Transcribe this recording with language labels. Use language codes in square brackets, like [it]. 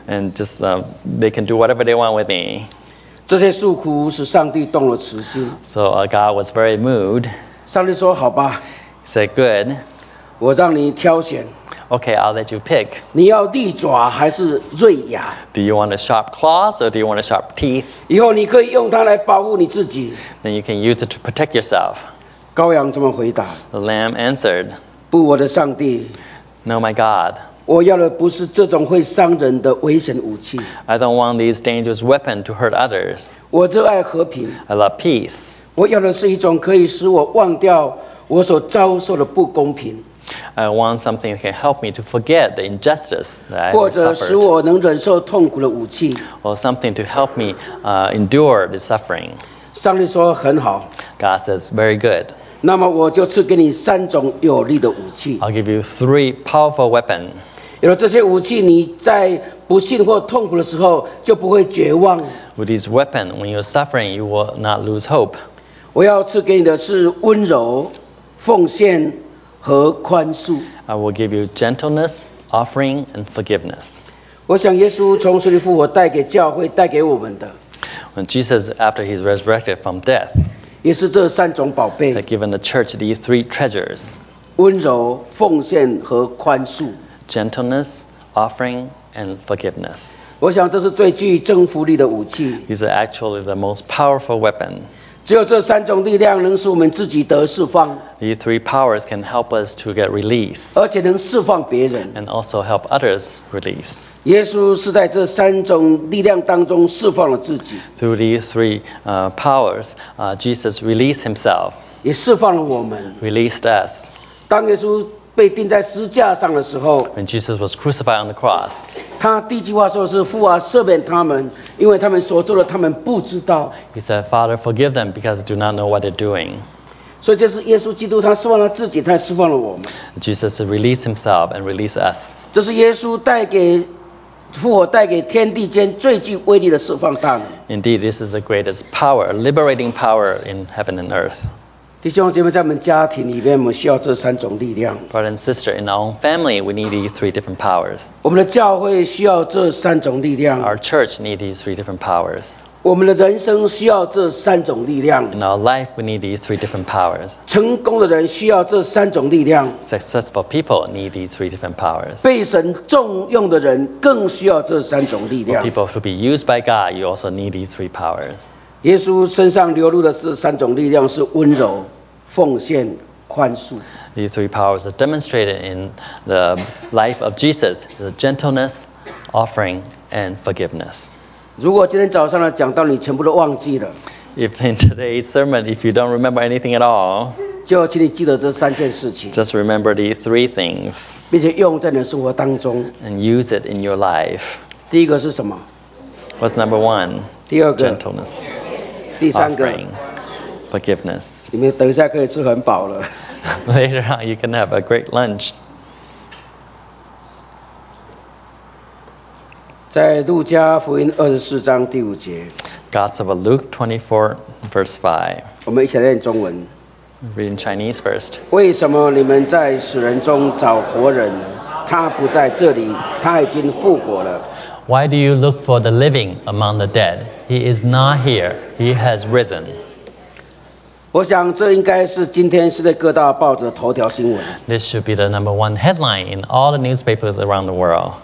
[en] ，and just they can do whatever they want with me。 [zh] 这些诉苦使上帝动了慈心 [en] ，so God was very moved。 [zh] 上帝说：“好吧 [en] ，said good。” [zh] 我让你挑选。 [en] Okay, I'll let you pick. [zh] 你要利爪还是锐牙 [en] ？Do you want a sharp claws or do you want a sharp teeth? [zh] 以后你可以用它来保护你自己。 [en] Then you can use it to protect yourself. [zh] 羔羊这么回答。 [en] The lamb answered. [zh] 不，我的上帝。 [en] No, my God. [zh] 我要的不是这种会伤人的危险武器。 [en] I don't want these dangerous weapons to hurt others. [zh] 我热爱和平。 [en] I love peace. [zh] 我要的是一种可以使我忘掉我所遭受的不公平。 [en] I want something that can help me to forget the injustice that I suffered. [zh] 或者使我能忍受痛苦的武器。 [en] Or something to help me endure the suffering. [zh] 上帝说很好。 [en] God says very good. [zh] 那么我就赐给你三种有力的武器。 [en] I'll give you three powerful weapons. [zh] 有了这些武器，你在不幸或痛苦的时候就不会绝望。 [en] With these weapons, when you're suffering, you will not lose hope. [zh] 我要赐给你的是温柔、奉献。和宽恕。 [en] I will give you gentleness, offering, and forgiveness. [zh] 我想耶稣从死里复活带给教会带给我们的。 [en] When Jesus, after he's resurrected from death, [zh] 也是这三种宝贝。 [en] Had given the church these three treasures. [zh] 温柔、奉献和宽恕。 [en] Gentleness, offering, and forgiveness. [zh] 我想这是最具征服力的武器。 [en] These are actually the most powerful weapon. [zh] 只有这三种力量能使我们自己得释放。 [en] These three powers can help us to get release. [zh] 而且能释放别人。 [en] And also help others release. [zh] 耶稣是在这三种力量当中释放了自己。 [en] Through these three powers, Jesus released himself. [zh] 也释放了我们。 [en] Released us. [zh] 当耶稣被钉在十架上的时候 [en] ，When Jesus was crucified on the cross， [zh] 他第一句话说是：“父啊，赦免他们，因为他们所做的，他们不知道。 [en] ”He said, "Father, forgive them because they do not know what they're doing." [zh] 所以这是耶稣基督，他释放了自己，他释放了我们。 [en] Jesus released himself and released us. [zh] 这是耶稣带给复活带给天地间最具威力的释放大能。 [en] Indeed, this is the greatest power, liberating power in heaven and earth. [zh] 弟兄姐妹，在我们家庭里面，我们需要这三种力量。 [en] Brother and sister, in our own family, we need these three different powers. [zh] 我们的教会需要这三种力量。 [en] Our church needs these three different powers. [zh] 我们的人生需要这三种力量。 [en] In our life, we need these three different powers. [zh] 成功的人需要这三种力量。 [en] Successful people need these three different powers. [zh] 被神重用的人更需要这三种力量。 [en] For people who be used by God, you also need these three powers. [zh] 耶稣身上流露的是三种力量，是温柔、奉献、宽恕。 [en] These three powers are demonstrated in the life of Jesus: the gentleness, offering, and forgiveness. [zh] 如果今天早上的讲道你全部都忘记了 [en] ，If in today's sermon if you don't remember anything at all， [zh] 就请你记得这三件事情。 [en] Just remember these three things， [zh] 并且用在你的生活当中。 [en] And use it in your life. [zh] 第一个是什么 [en] ？What's number one？ [zh] 第二个 [en] gentleness， [zh] 第三个 [en] offering, forgiveness。 [zh] 你们等一下可以吃很饱了。 [en] Later on, you can have a great lunch。 [zh] 在路加福音24:5。 [en] Gospel of Luke 24:5。 [zh] 我们一起来念中文。 [en] Read in Chinese first。 [zh] 为什么你们在死人中找活人？他不在这里，他已经复活了。 [en] Why do you look for the living among the dead? He is not here. He has risen. [zh] 我想这应该是今天世界各大报纸的头条新闻。 [en] This should be the number one headline in all the newspapers around the world.